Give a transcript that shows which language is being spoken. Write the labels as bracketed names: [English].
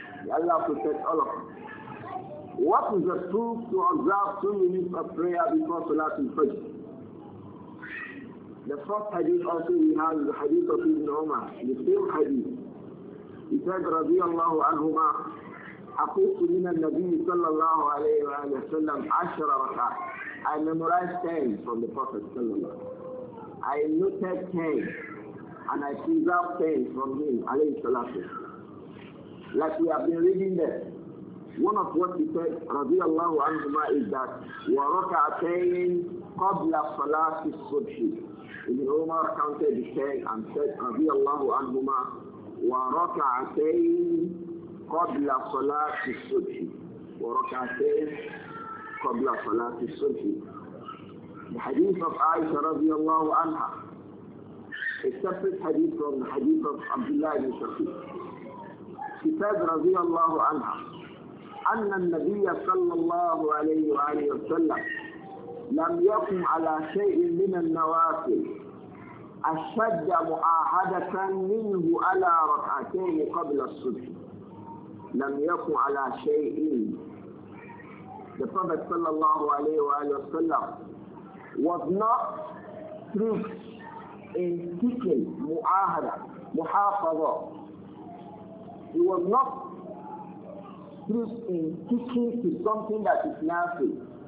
[English] Allah protect all of us. What is the truth to observe 2 minutes of prayer before Salat in Fajr? The first hadith also we have is the hadith of Ibn Umar, the same hadith. He said, [Arabic] رضي الله عنهما أقلت من النبي صلى الله عليه وسلم 10 ركعات. [English] I memorized 10 from the Prophet [Arabic] صلى الله عليه وسلم. [English] I noted 10 and I preserved 10 from him [Arabic] عليه الصلاة والسلام. [English] Like we have been reading there, one of what he said, [Arabic] رضي الله عنهما, [English] is that [Arabic] وَرَكَعَتَيْنِ قَبْلَ صَلَاةِ الصُّبْحِ. [English] Ibn Umar counted the 10 and said, [Arabic] رضي الله عنهما, وَرَكَعَتَيْنِ قَبْلَ صَلَاةِ الصُّبْحِ. وَرَكَعَتَيْنِ قَبْلَ صَلَاةِ الصُّبْحِ. [English] The hadith of Aisha [Arabic] رضي الله عنها, [English] a separate hadith from the hadith of Abdullah ibn Shakir. She said, [Arabic] رضي الله عنها, أن النبي صلى الله عليه وآله وسلم لم يقم على شيء من النوافل أشد معاهدة منه على ركعتين قبل الصبح. لم يقم على شيء. [English] The Prophet [Arabic] صلى الله عليه وآله وسلم [English] was not strict in keeping [Arabic] معاهدة محافظة. [English] He was not strict in sticking to something that is nothing.